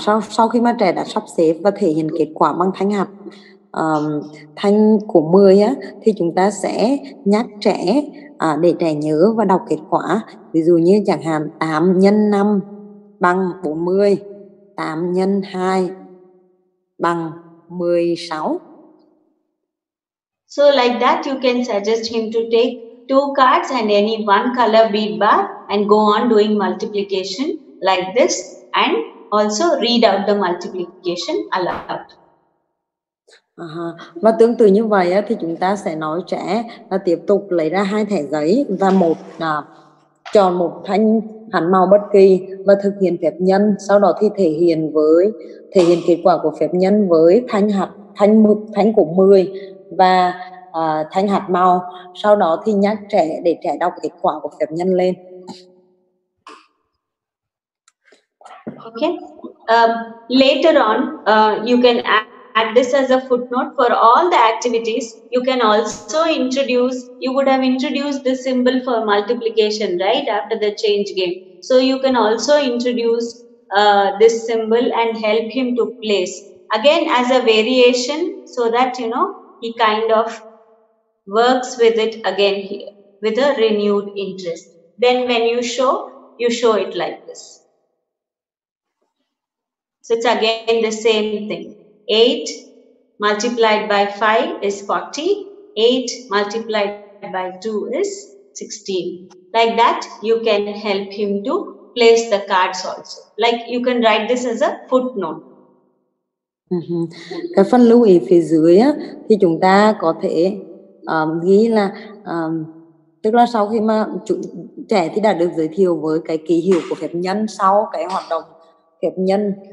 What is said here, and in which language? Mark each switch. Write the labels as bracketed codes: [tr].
[vi] Sau khi mà trẻ đã sắp xếp và thể hiện kết quả bằng thanh hạt thanh của 10 á thì chúng ta sẽ nhắc trẻ để trẻ nhớ và đọc kết quả. Ví dụ như chẳng hạn 8 nhân 5 bằng 40, 8 nhân 2 bằng 16. [en] So like that you can suggest him to take two cards and any one color bead bar and go on doing multiplication like this and also read out the multiplication aloud. [vi] Và tương tự như vậy thì chúng ta sẽ nói trẻ là tiếp tục lấy ra hai thẻ giấy và một chọn một thanh hạt màu bất kỳ và thực hiện phép nhân, sau đó thì thể hiện kết quả của phép nhân với thanh của 10 và thanh hạt màu, sau đó thì nhắc trẻ để trẻ đọc kết quả của phép nhân lên. [en] Okay. Later on, you can add this as a footnote for all the activities. You can also introduce, you would have introduced the symbol for multiplication, right, after the change game. So you can also introduce this symbol and help him to place. Again, as a variation, so that, you know, he kind of works with it again here, with a renewed interest. Then when you show it like this. So it's again the same thing. 8 multiplied by 5 is 40. 8 multiplied by 2 is 16. Like that, you can help him to place the cards also. Like you can write this as a footnote. [vi] Cái phần lưu ý phía dưới á, thì chúng ta có thể ghi là tức là sau khi mà trẻ thì đã được giới thiệu với cái ký hiệu của phép nhân sau cái hoạt động phép nhân,